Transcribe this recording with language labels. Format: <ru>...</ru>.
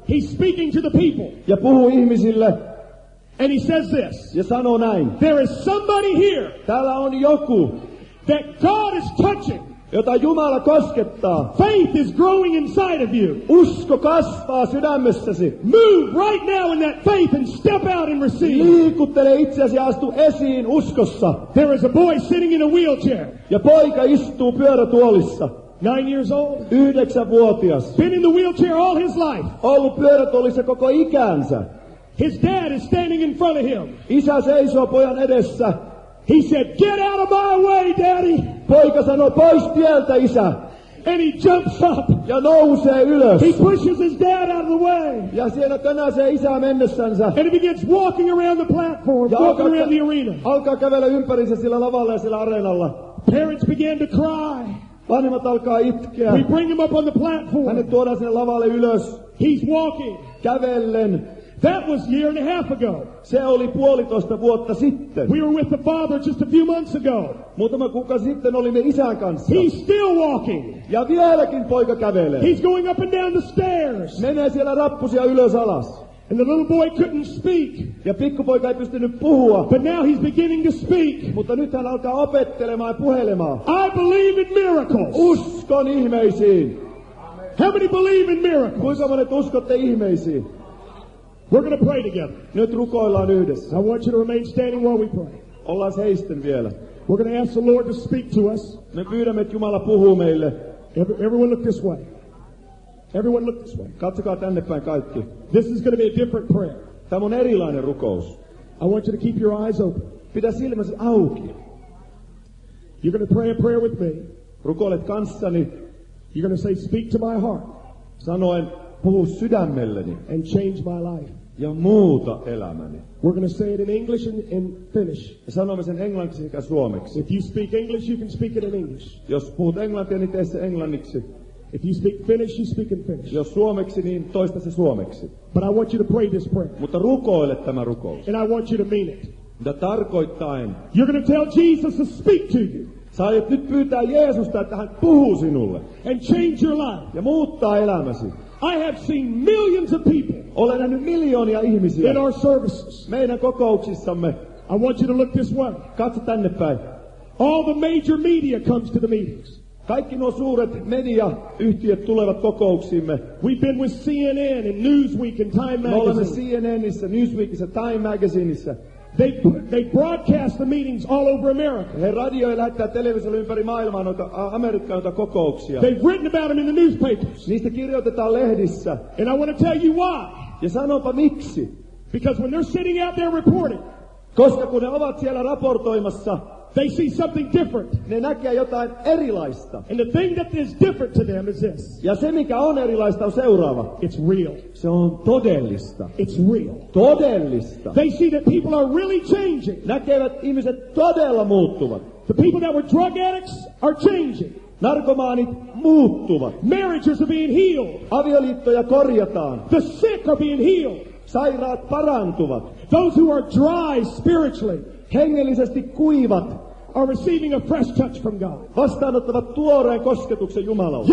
<en>He's speaking to the people.</en> <fi>Ja puhuu ihmisille.</fi> <en>And he says this.</en> <fi>Ja sanoo näin.</fi> <en>There is somebody here.</en> <fi>Täällä on joku.</fi> <en>That God is touching.</en> <fi>Jota Jumala koskettaa.</fi> <en>Faith is growing inside of you.</en> <fi>Usko kasvaa sydämessäsi.</fi> <en>Move right now in that faith and step out and receive.</en> <fi>Liikuttele itseäsi ja astu esiin uskossa.</fi> <en>There is a boy sitting in a wheelchair.</en> <fi>Ja poika istuu pyörätuolissa.</fi> <en>9 years old.</en> <fi>9-vuotias.</fi> <en>Been in the wheelchair all his life.</en> <fi>Ollut pyörätuolissa koko ikänsä.</fi> <en>His dad is standing in front of him.</en> <fi>Isä seisoo pojan edessä.</fi> <en>He said, "Get out of my way, Daddy."</en> <fi>Poika sanoo, pois tieltä, isä.</fi> <en>And he jumps up.</en> <fi>Ja nousee ylös.</fi> <en>He pushes his dad out of the way.</en> <fi>Ja siellä tönäsee isää mennessänsä.</fi> <en>And he begins walking around the platform, ja walking around the arena.</en> <fi>Alkaa kävellä ympärissä sillä lavalla ja sillä areenalla.</fi> <en>Parents began to cry.</en> <fi>Vanhemmat alkaa itkeä.</fi> <en>We bring him up on the platform.</en> <fi>Hänet tuodaan sinne lavalle ylös.</fi> <en>He's walking.</en> <fi>Kävellen.</fi> <en>That was a year and a half ago.</en> <fi>Se oli 1.5 vuotta sitten.</fi> <en>We were with the father just a few months ago.</en> <fi>Muutama kuukausi sitten olimme isän kanssa.</fi> <en>He's still walking.</en> <fi>Ja vieläkin poika kävelee.</fi> <en>He's going up and down the stairs.</en> <fi>Menee siellä rappusia ylös alas.</fi> <en>And the little boy couldn't speak.</en> <fi>Ja pikkupoika ei pystynyt puhua.</fi> <en>But now he's beginning to speak.</en> <fi>Mutta nyt hän alkaa opettelemaan ja puhelemaan.</fi> <en>I believe in miracles.</en> <fi>Uskon ihmeisiin.</fi> <en>How many believe in miracles?</en> <fi>Kuinka monet uskotte ihmeisiin?</fi> <en>We're going to pray together.</en> <fi>Nyt rukoillaan yhdessä.</fi> <en>I want you to remain standing while we pray.</en> <fi>Ollaan seisten vielä.</fi> <en>We're going to ask the Lord to speak to us.</en> <fi>Me pyydämme, että Jumala puhuu meille.</fi> <en>Everyone look this way. Everyone look this way.</en> <fi>Katsokaa tänne päin kaikki.</fi> <en>This is going to be a different prayer.</en> <fi>Tämä on erilainen rukous.</fi> <en>I want you to keep your eyes open.</en> <fi>Pidä silmäsi auki.</fi> <en>You're going to pray a prayer with me.</en> <fi>Rukoilet kanssani.</fi> <en>You're going to say, speak to my heart.</en> <fi>Sanoen, puhu sydämelleni.</fi> <en>And change my life.</en> <fi>ja muuta elämäni.</fi> <en>We're going to say it in English and Finnish.</en> <fi>Sanomme sen englanniksi sekä suomeksi.</fi> <en>If you speak English, you can speak it in English.</en> <fi>Jos puhut englantia, niin tee se englanniksi.</fi> <en>If you speak Finnish, you speak in Finnish.</en> <fi>Jos suomeksi, niin toista se suomeksi.</fi> <en>But I want you to pray this prayer.</en> <fi>Mutta rukoile tämä rukous.</fi> <en>And I want you to mean it.</en> <fi>Mutta tarkoittain.</fi> <en>You're going to tell Jesus to speak to you.</en> <fi>Sä aiot nyt pyytää Jeesusta, että hän puhuu sinulle.</fi> <en>And change your life.</en> <fi>Ja muuttaa elämäsi.</fi> <en>I have seen millions of people.</en> <fi>Olen nähnyt miljoonia ihmisiä.</fi> <en>In our services.</en> <fi>Meidän kokouksissamme.</fi> <en>I want you to look this way.</en> <fi>Katso tänne päin.</fi> <en>All the major media comes to the meetings.</en> <fi>Kaikki nuo suuret mediayhtiöt tulevat kokouksiimme.</fi> <en>We've been with CNN and Newsweek and Time Magazine.</en> <fi>Me olemme CNNissä, Newsweekissä, Time Magazineissa.</fi> <en>They broadcast the meetings all over America.</en> <fi>He radioi lähettää televisiolle ympäri maailmaa noita Amerikkaa noita kokouksia.</fi> <en>They've written about them in the newspapers.</en> <fi>Niistä kirjoitetaan lehdissä.</fi> <en>And I want to tell you why.</en> <fi>Ja sanonpa miksi.</fi> <en>Because when they're sitting out there reporting.</en> <fi>Koska kun ne ovat siellä raportoimassa.</fi> <en>They see something different.</en> <fi>Ne näkee jotain erilaista.</fi> <en>And the thing that is different to them is this.</en> <fi>Ja se mikä on erilaista on seuraava.</fi> <en>It's real.</en> <fi>Se on todellista.</fi> <en>It's real.</en> <fi>Todellista.</fi> <en>They see that people are really changing.</en> <fi>Näkevät ihmiset todella muuttuvat.</fi> <en>The people that were drug addicts are changing.</en> <fi>Narkomaanit muuttuvat.</fi> <en>Marriages are being healed.</en> <fi>Avioliittoja korjataan.</fi> <en>The sick are being healed.</en> <fi>Sairaat parantuvat.</fi> <en>Those who are dry spiritually.</en> <fi>Hengellisesti kuivat</fi> <en>are receiving a fresh touch from God.</en> <fi>Vastaanottavat tuoreen kosketuksen Jumalalta.</fi>